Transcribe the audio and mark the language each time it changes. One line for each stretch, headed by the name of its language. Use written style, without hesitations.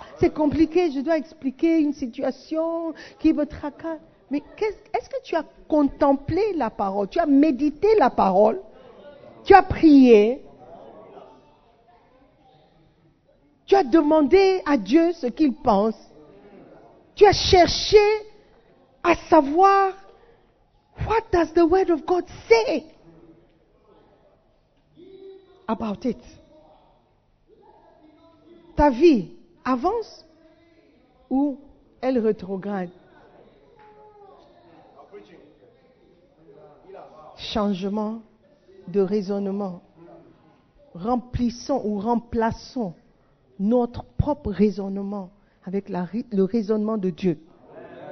French: C'est compliqué, je dois expliquer une situation qui me tracasse. Mais est-ce que tu as contemplé la parole? Tu as médité la parole? Tu as prié? Tu as demandé à Dieu ce qu'il pense? Tu as cherché à savoir
English: what does the word of God say about it.
French: Ta vie avance ou elle rétrograde? Changement de raisonnement. Remplissons ou remplaçons notre propre raisonnement avec le raisonnement de Dieu, amen.